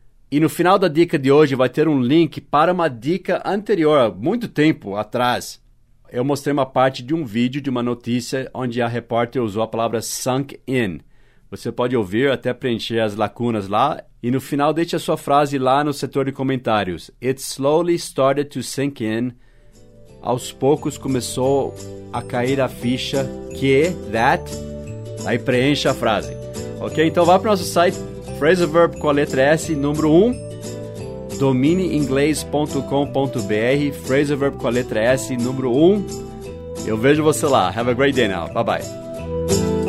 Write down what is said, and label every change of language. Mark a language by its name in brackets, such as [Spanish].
[Portuguese] E no final da dica de hoje vai ter um link para uma dica anterior, muito tempo atrás. Eu mostrei uma parte de um vídeo, de uma notícia, onde a repórter usou a palavra sunk in. Você pode ouvir até preencher as lacunas lá. E no final, deixe a sua frase lá no setor de comentários. [English] It slowly started to sink in. [Portuguese] Aos poucos começou a cair a ficha que, that. Aí preencha a frase. Ok? Então vá para o nosso site, phrasal verb com a letra S, número 1. domineinglês.com.br, phrasal verb com a letra S, número 1. Eu vejo você lá. [English] Have a great day now. Bye-bye.